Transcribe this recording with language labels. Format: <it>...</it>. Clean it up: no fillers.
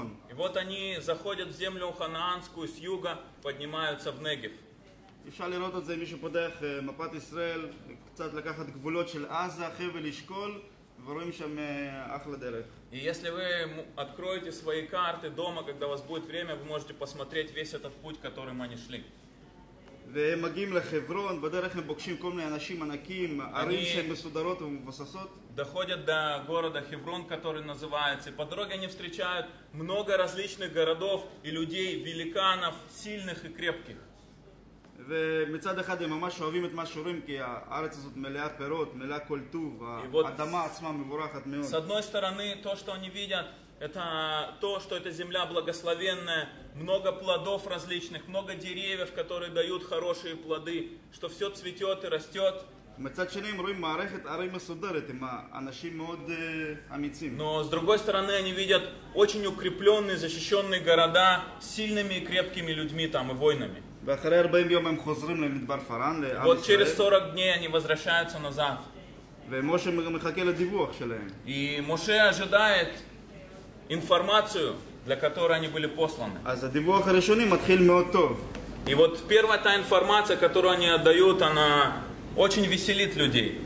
<ru>И вот они заходят в землю ханаанскую с юга, поднимаются в Негев.</ru> <he>אפשר לראות את זה, מי שפודח מפת ישראל, קצת לקחת גבולות של עזה, חבל ישקול, ורואים שם אחלה דרך.</he> <ru>И если вы откроете свои карты дома, когда у вас будет время, вы можете посмотреть весь этот путь, которым они шли.</ru> <he>והם מגיעים לחברון, בדרך הם בוקשים כל מיני אנשים ענקים, ערים שהן מסודרות ומבססות.</he> <ru>Доходят до города Хеврон, который называется. По дороге они встречают много различных городов и людей, великанов, сильных и крепких.</ru> <he>ומצד אחד הם ממש אוהבים את מה שורים כי הארץ הזאת מלאה פירות, מלאה כל טוב, האדמה עצמה מבורכת מאוד.</he> <ru>С одной стороны, то, что они видят, это то, что эта земля благословенная, много плодов различных, много деревьев, которые дают хорошие плоды, что все цветет и растет.</ru> <he>מצד שני, הם רואים מערכת ערים מסודרת, עם אנשים מאוד אמיצים.</he> <ru>Но с другой стороны, они видят очень укрепленные, защищенные города, сильными и крепкими людьми там и воинами.</ru> <he>ואחרי 40 יום הם חוזרים למדבר פארן, לעם ישראל.</he> <ru>Вот через 40 дней они возвращаются назад.</ru> <he>ומשה מחכה לדיווח שלהם.</he> <ru>И Моше ожидает информацию, для которой они были посланы.</ru> <he>אז הדיווח הראשוני מתחיל מאוד טוב.</he> <ru>И вот первая та информация, которую они отдают, она очень веселит людей.</ru>